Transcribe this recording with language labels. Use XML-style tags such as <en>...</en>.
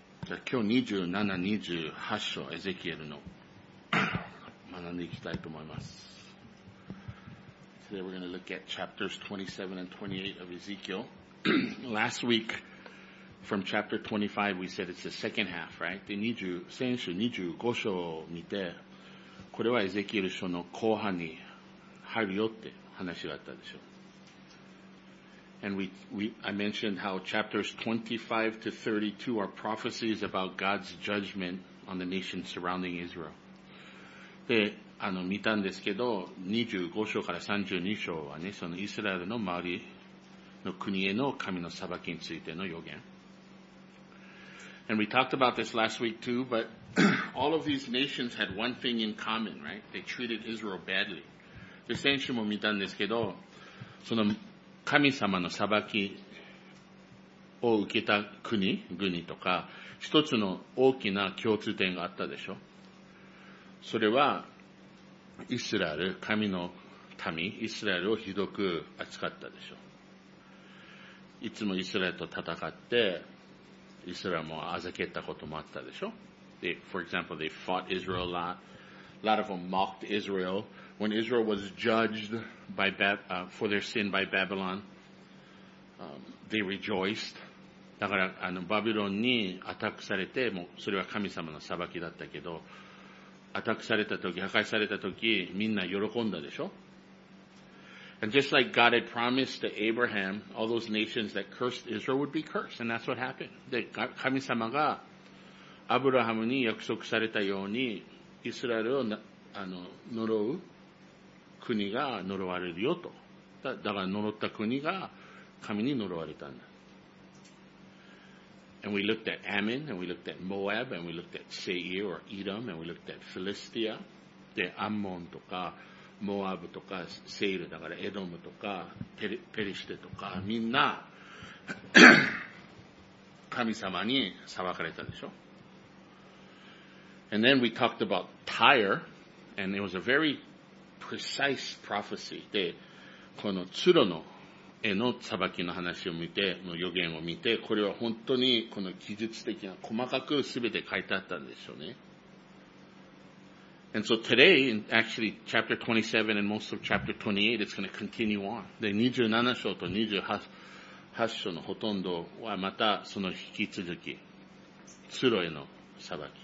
<ja>ゃあ今日27、28章エゼキエルの学んでいきたいと思います。</ja> <en>Today we're going to look at chapters 27 and 28 of Ezekiel. Last week, from chapter 25, we said it's the second half, right?</en> <ja>で、先週25章を見て、これはエゼキエル書の後半に入るよって話があったでしょ。</ja> <en>And I mentioned how chapters 25 to 32 are prophecies about God's judgment on the nations surrounding Israel.</en> <ja>で、見たんですけど、25章から32章はね、そのイスラエルの周りの国への神の裁きについての予言。</ja> <en>And we talked about this last week too, but all of these nations had one thing in common, right? They treated Israel badly.</en> <ja>で、先週も見たんですけど、その、神様の裁きを受けた国、国とか、一つの大きな共通点があったでしょ。それは、イスラエル、神の民、イスラエルをひどく扱ったでしょ。いつもイスラエルと戦って、イスラエルもあざけったこともあったでしょ。</ja> <en>They, for example, they fought Israel a lot. A lot of them mocked Israel. When Israel was judged by for their sin by Babylon, they rejoiced.</en> <ja>だから、バビロンにアタックされて、もうそれは神様の裁きだったけど、アタックされた時、破壊された時、みんな喜んだでしょ?</ja> <en>And just like God had promised to Abraham, all those nations that cursed Israel would be cursed, and that's what happened.</en> <ja>で、神様がアブラハムに約束されたように、イスラエルを呪う。国が呪われるよと。だから呪った国が神に呪われたんだ。</ja> <en>And we looked at Ammon, and we looked at Moab, and we looked at Seir or Edom, and we looked at Philistia.</en> <ja>で、アンモンとか、モアブとか、セイル、だからエドムとか、ペリシテとか、みんな神様に裁かれたでしょ。</ja> <en>And then we talked about Tyre, and it was a very precise prophecy.</en> <ja>で、このツロの絵の裁きの話を見て、の予言を見て、これは本当にこの記述的な細かく全て書いてあったんでしょうね。</ja> <en>And so today, actually chapter 27 and most of chapter 28, it's going to continue on.</en> <ja>で、27章と28章のほとんどはまたその引き続き、ツロへの裁き。</ja>